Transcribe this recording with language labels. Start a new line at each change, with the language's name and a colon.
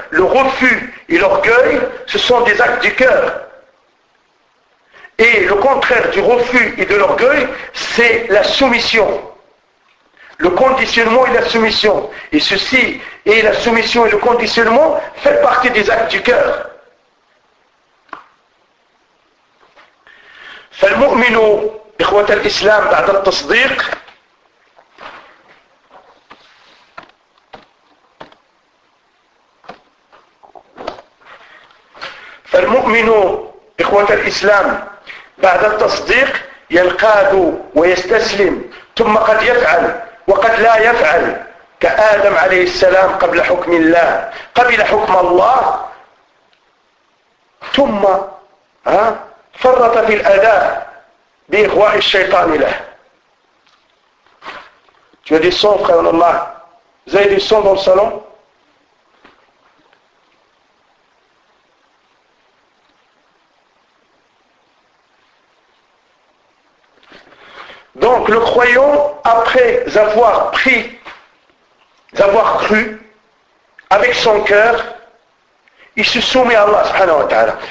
French: Le refus et l'orgueil, ce sont des actes du cœur. Et le contraire du refus et de l'orgueil, c'est la soumission. Le conditionnement et la soumission. Et ceci, et la soumission et le conditionnement, fait partie des actes du cœur.
Arabic: فالمؤمن إخوة الإسلام بعد التصديق فالمؤمن إخوة الإسلام بعد التصديق ينقاد ويستسلم ثم قد يفعل وقد لا يفعل كآدم عليه السلام قبل حكم الله قبل حكم الله ثم فرط في الأداء بإغواء الشيطان له.
French: Tu as des sons, frère Allah. Vous avez des sons dans le salon? Donc, le croyant, après avoir pris, avoir cru, avec son cœur, il se soumet à Allah, subhanahu wa ta'ala.